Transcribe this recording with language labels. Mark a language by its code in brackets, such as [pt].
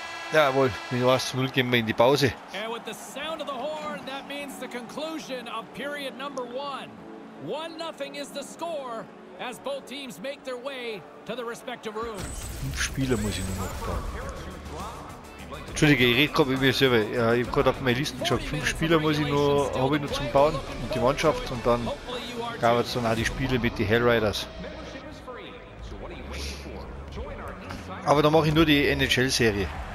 [de] Jawohl, wenn du was zu null gehen wir in die Pause. [en] And with the sound of the horn, that means the conclusion of period number one. 1-0 is the score as both teams make their way to the respective rooms. [de] 5 Spieler muss ich nur noch bauen. Entschuldige, ich rede gerade mit mir selber. Ja, ich habe gerade auf meine Liste geschaut. 5 Spieler muss ich nur, habe ich nur zum Bauen und die Mannschaft und dann gab es dann auch die Spiele mit den Hellriders. Aber dann mache ich nur die NHL-Serie.